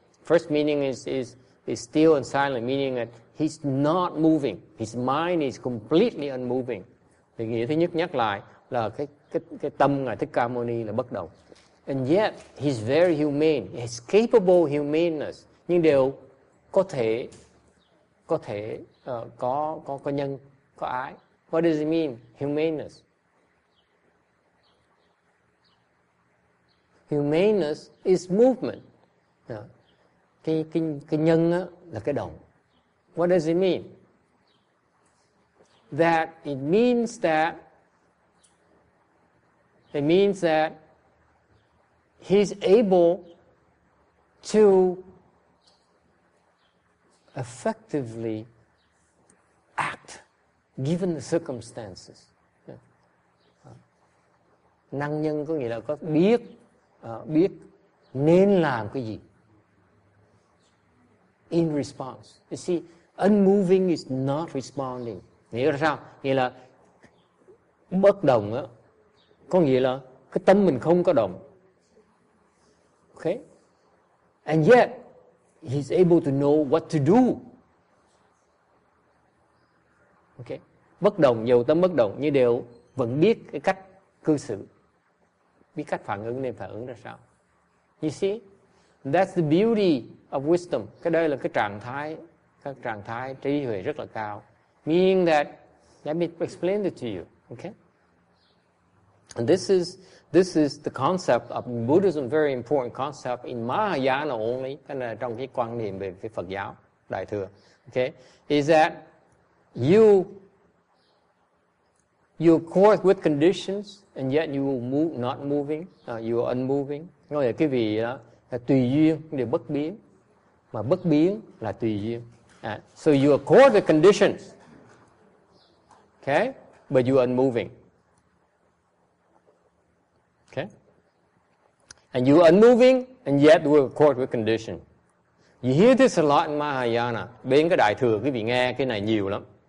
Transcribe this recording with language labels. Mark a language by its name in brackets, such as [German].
[English] First meaning is still and silent, meaning that he's not moving. His mind is completely unmoving. [Vietnamese] Thì nghĩa thứ nhất nhắc lại là cái tâm Ngài Thích Ca Mâu Ni là bất động. [English] And yet, he's very humane. He's capable of humaneness. [Vietnamese] Nhưng đều có thể có nhân, có ái. [English] What does it mean, humaneness? Humaneness is movement. [Vietnamese] Cái nhân á, là cái động. [English] What does it mean? That it means that he's able to effectively act given the circumstances. [Vietnamese] Năng nhân có nghĩa là có biết nên làm cái gì. [English] In response. You see, unmoving is not responding. [Vietnamese] Nghĩa là sao? Nghĩa là bất động á, có nghĩa là cái tâm mình không có động. [English] Okay? And yet, he's able to know what to do. Okay? [Vietnamese] Bất động, dù tâm bất động, nhưng đều vẫn biết cái cách cư xử. Biết cách phản ứng nên phản ứng ra sao. [English] You see? That's the beauty of wisdom. [Vietnamese] Cái đây là cái trạng thái, các trạng thái trí huệ rất là cao. [English] Meaning that, let me explain it to you, okay? And this is the concept of Buddhism, very important concept in Mahayana only, and [Vietnamese] trong cái quan niệm về cái Phật giáo Đại thừa, [English] okay? Is that you accord with conditions and yet you move not moving, you are unmoving. [Vietnamese] Nói là cái vị đó là tùy duyên, điều bất biến, mà bất biến là tùy duyên. [English] So you accord with conditions. Okay, but you are unmoving. Okay, and you are unmoving, and yet we accord with condition. You hear this a lot in Mahayana. [Vietnamese] Bên cái đại thừa, quý vị nghe cái này nhiều lắm.